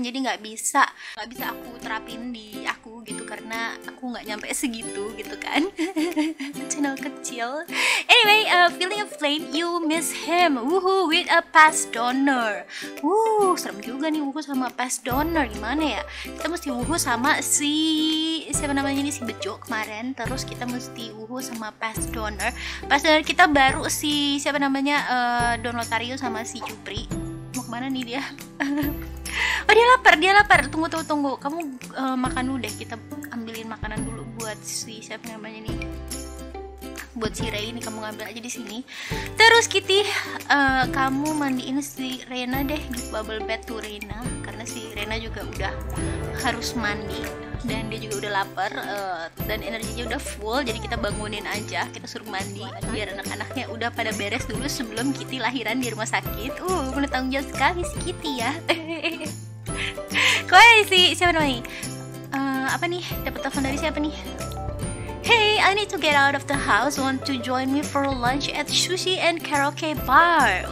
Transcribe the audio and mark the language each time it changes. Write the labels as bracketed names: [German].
[Indonesian] Jadi gak bisa aku terapin di aku gitu, karena aku gak nyampe segitu gitu kan. Channel kecil. [English] Anyway, feeling a flame, you miss him, woohoo, with a past donor. [Indonesian] Wuh, serem juga nih woohoo sama past donor, gimana ya. Kita mesti woohoo sama si siapa namanya ini, si Bejo kemarin. Terus kita mesti woohoo sama past donor. Past donor kita baru si siapa namanya, Don Lotario sama si Jupri. Mana nih dia? Oh dia lapar. Tunggu. Kamu makan dulu deh. Kita ambilin makanan dulu buat si siapa namanya nih. Buat si Ray ini kamu ngambil aja di sini. Terus Kitty, kamu mandiin si Reina deh. [English] Give bubble bath to [Indonesian] Reina, karena si Reina juga udah harus mandi dan dia juga udah lapar, dan energinya udah full. Jadi kita bangunin aja, kita suruh mandi biar anak-anaknya udah pada beres dulu sebelum Kitty lahiran di rumah sakit. Bener tanggung jawab sekali si Kitty ya. Kok si siapa namanya? Apa nih? Dapat telepon dari siapa nih? [English] Hey, I need to get out of the house. Want to join me for lunch at sushi and karaoke bar?